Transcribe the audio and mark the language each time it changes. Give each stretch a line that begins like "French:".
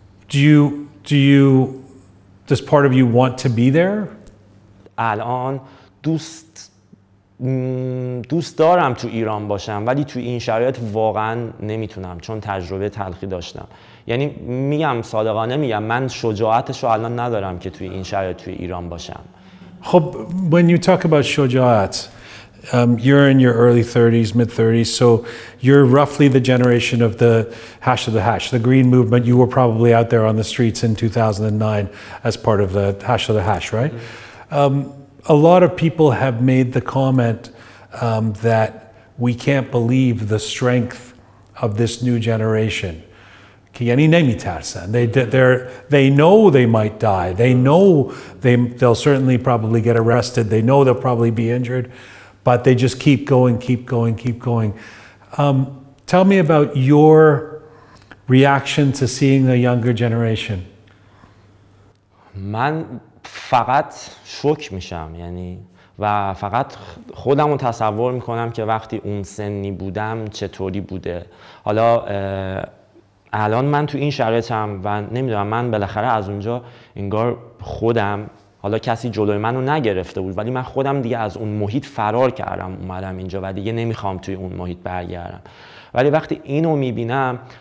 English: Does part of you want to be there?
Persian: الان دوست دوست دارم تو ایران باشم ولی تو این شرایط واقعا نمیتونم چون تجربه تلخی داشتم. یعنی میگم صادقانه میگم من شجاعتشو الان ندارم که تو این شرایط تو ایران باشم.
English: خب when you talk about شجاعت you're in your early 30s, mid-30s, so you're roughly the generation of the Hash of the Hash, the Green Movement. You were probably out there on the streets in 2009 as part of the Hash of the Hash, right? Mm-hmm. A lot of people have made the comment that we can't believe the strength of this new generation. They know they might die. They know they'll certainly probably get arrested. They know they'll probably be injured. But they just keep going, keep going, keep going. Tell me about your reaction to seeing the younger generation.
Persian: من فقط شوک میشم یعنی و فقط خودم رو تصور میکنم که وقتی اون سنی بودم چطوری بوده. حالا الان من تو این شرایطم و نمیدونم من بالاخره از اونجا انگار خودم حالا کسی جلوی منو نگرفته بود ولی من خودم دیگه از اون محیط فرار کردم اومدم اینجا و دیگه نمیخوام توی اون محیط برگردم ولی وقتی اینو میبینم